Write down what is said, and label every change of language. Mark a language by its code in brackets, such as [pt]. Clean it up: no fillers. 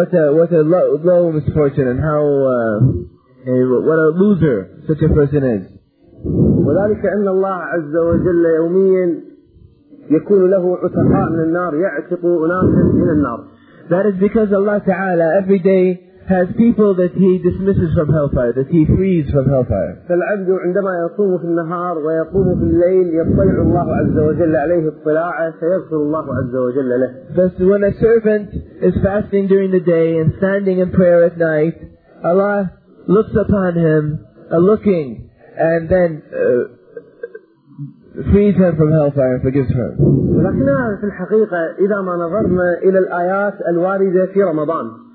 [en] What a low misfortune and how what a loser such a person is. [ar] وذلك أن الله عز وجل يوميا يكون له عتقاء من النار يعتق أناسا من النار. [en] That is because Allah Ta'ala every day has people that He dismisses from hellfire, that He frees from hellfire. [ar] فالعبد عندما يصوم في النهار ويقوم في الليل يطلع الله عز وجل عليه الطلاعة فيغفر الله عز وجل له. [en] Thus when a servant is fasting during the day and standing in prayer at night, Allah looks upon him, looking, and then frees him from hellfire and forgives him. [ar] ولكن في الحقيقة إذا ما نظرنا إلى الآيات الواردة في رمضان.